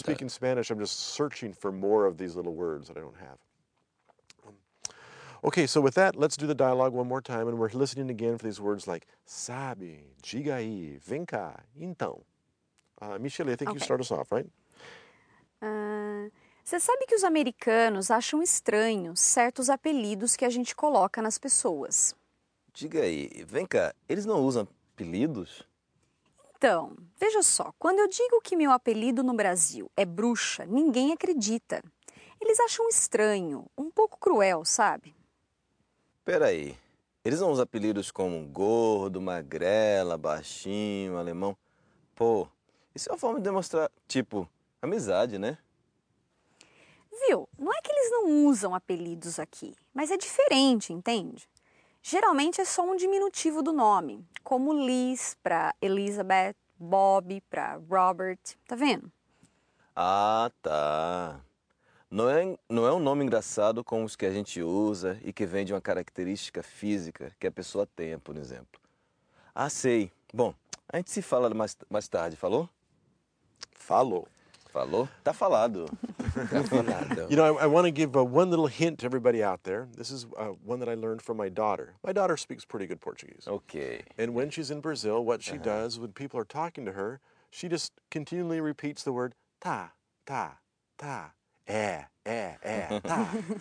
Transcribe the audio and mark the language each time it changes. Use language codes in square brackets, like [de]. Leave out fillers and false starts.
[en] I'm speaking Spanish, I'm just searching for more of these little words that I don't have. Okay, so with that, let's do the dialogue one more time. And we're listening again for these words like [pt] sabe, diga aí, vem cá, então. [en] Michele, I think you start us off, right? [pt] Você sabe que os americanos acham estranho certos apelidos que a gente coloca nas pessoas. Diga aí, vem cá, eles não usam apelidos? Então, veja só, quando eu digo que meu apelido no Brasil é bruxa, ninguém acredita. Eles acham estranho, um pouco cruel, sabe? Peraí, eles não usam apelidos como gordo, magrela, baixinho, alemão? Pô, isso é uma forma de demonstrar, tipo... amizade, né? Viu? Não é que eles não usam apelidos aqui, mas é diferente, entende? Geralmente é só um diminutivo do nome, como Liz para Elizabeth, Bob para Robert, tá vendo? Ah, tá. Não é um nome engraçado como os que a gente usa e que vem de uma característica física que a pessoa tenha, por exemplo. Ah, sei. Bom, a gente se fala mais tarde, falou? Falou. Tá falado. [en] You know, I want to give one little hint to everybody out there. This is one that I learned from my daughter. My daughter speaks pretty good Portuguese. Okay. And when she's in Brazil, what she does when people are talking to her, she just continually repeats the word [pt] tá, tá, tá, é, é, é, tá.